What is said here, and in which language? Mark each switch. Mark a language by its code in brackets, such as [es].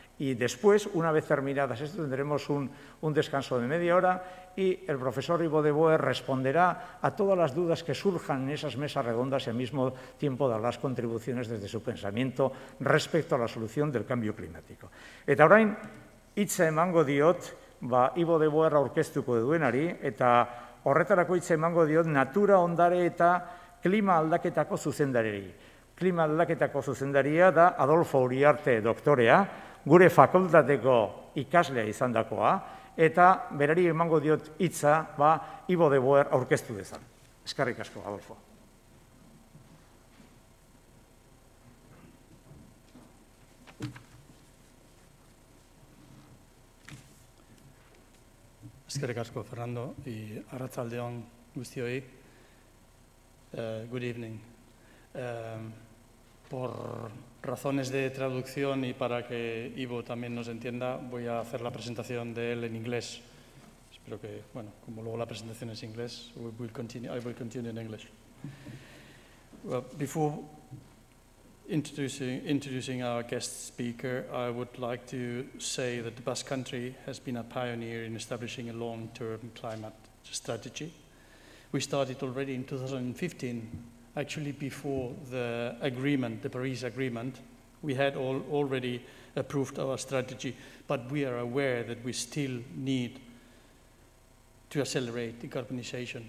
[es] Y después, una vez terminadas esto, tendremos un descanso de media hora y el profesor Yvo de Boer responderá a todas las dudas que surjan en esas mesas redondas y al mismo tiempo dar las contribuciones desde su pensamiento respecto a la solución del cambio climático. [eu] Eta orain, hitza emango diot, ba, Yvo de Boer aurkeztuko duenari, eta horretarako hitza emango diot natura ondare eta klima aldaketako zuzendariari. Klima aldaketako zuzendaria da Adolfo Uriarte doktorea, gure fakultateko ikaslea izandakoa, eta berari emango diot hitza, ba, Yvo de Boer aurkeztu dezan. Eskerrik asko, Adolfo. Eskerrik asko, Fernando, y arratsaldeon guztioi. [en] Good evening. [es] Por razones de traducción y para que Yvo también nos entienda, voy a hacer la presentación de él en inglés. Espero que, bueno, como luego la presentación es en inglés, [en] I will continue in English. Well, before introducing our guest speaker, I would like to say that the Basque Country has been a pioneer in establishing a long-term climate strategy. We started already in 2015. Actually, before the agreement, the Paris Agreement, we had already approved our strategy, but we are aware that we still need to accelerate decarbonization.